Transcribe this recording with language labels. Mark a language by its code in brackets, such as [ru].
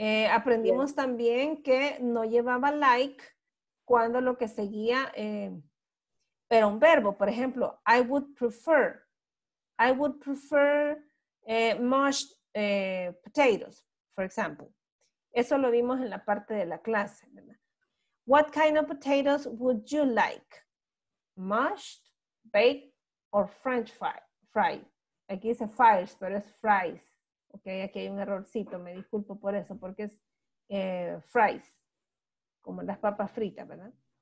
[es] Aprendimos también que no llevaba like cuando lo que seguía era un verbo. Por ejemplo, [en] I would prefer mashed potatoes, for example. [es] Eso lo vimos en la parte de la clase, ¿verdad? [en] What kind of potatoes would you like? Mashed, baked, or french fried? [es] Aquí dice fries, pero es fries. Ok, aquí hay un errorcito, me disculpo por eso, porque es fries, como las papas fritas, ¿verdad?